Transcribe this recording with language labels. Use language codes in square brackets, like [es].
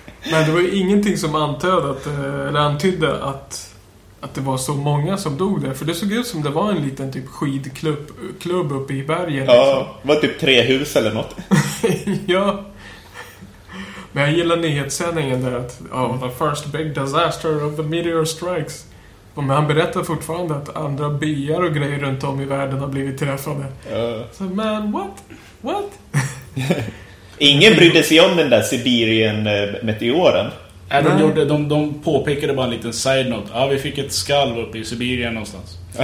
[sv] Men det var ju ingenting som antydde att det var så många som dog där. För det såg ut som det var en liten typ skidklubb uppe i bergen. Ja, liksom. Det var typ tre hus eller något. Ja. Men jag gillar nyhetssändningen där. [en] Att, the first big disaster of the meteor strikes. [sv] Men han berättar fortfarande att andra byar och grejer runt om i världen har blivit träffade. Ja. Så man, [en] what? What? [sv] Ingen brydde sig om den där Sibirien-meteoren. Nej. De påpekade bara en liten side note. Ja, vi fick ett skall uppe i Sibirien någonstans.